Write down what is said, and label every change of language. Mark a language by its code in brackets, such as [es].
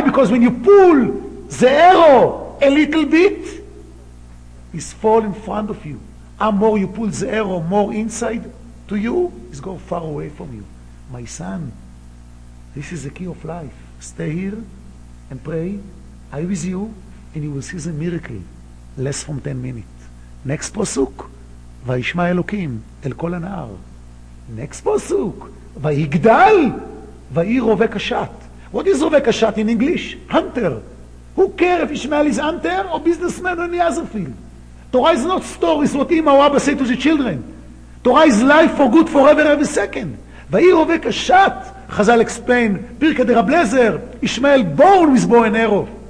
[en] Because when you pull the arrow a little bit, it's fall in front of you. And more you pull the arrow more inside to you, it's go far away from you. My son, this is the key of life. Stay here and pray. I with you, and you will see the miracle less from 10 minutes. Next posuk, [he] וישמע אלוקים אל כל הנער. [en] Next posuk, [he] ויגדל ויהי רובה קשת. [en] What is רובה קשת in English? Hunter. Who cares if Ishmael is hunter or businessman on the other field? Torah is not stories what Ima or Abba say to the children. Torah is life for good forever every second. [he] ויהי רובה קשת, [en] חזל explain, פרקי דרבלזר, Ishmael born with bow and arrow.